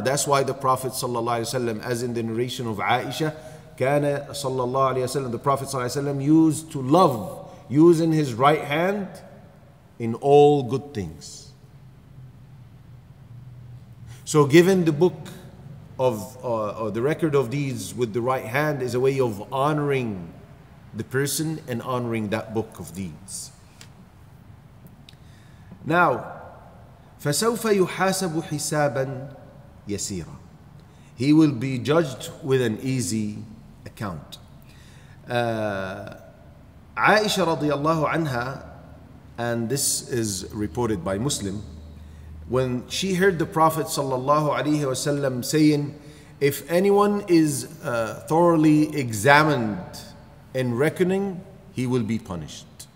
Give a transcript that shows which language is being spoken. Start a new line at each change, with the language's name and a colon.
English: That's why the Prophet sallallahu alaihi wasallam, as in the narration of Aisha, kana sallallahu alaihi wasallam, the Prophet sallallahu alaihi wasallam used to love using his right hand in all good things. So given the book of or the record of deeds with the right hand is a way of honoring the person and honoring that book of deeds. Now,
Arabic: فَسَوْفَ يُحَاسَبُ حِسَابًا يَسِيرًا.
English: He will be judged with an easy account. Aisha radiallahu anha, and this is reported by Muslim, when she heard the Prophet sallallahu alaihi wasallam saying, if anyone is thoroughly examined in reckoning, he will be punished.